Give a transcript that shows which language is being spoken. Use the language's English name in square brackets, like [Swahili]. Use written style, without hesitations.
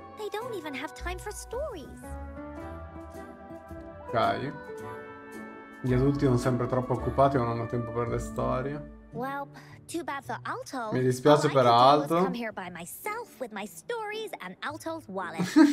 [English] Don't even have time for stories. Ok. [Italian] Gli adulti sono sempre troppo occupati e non hanno tempo per le storie. [English] Well, too bad for Alto. [Italian] Mi dispiace all per Alto. [English] I come here by myself with my stories and Alto's wallet.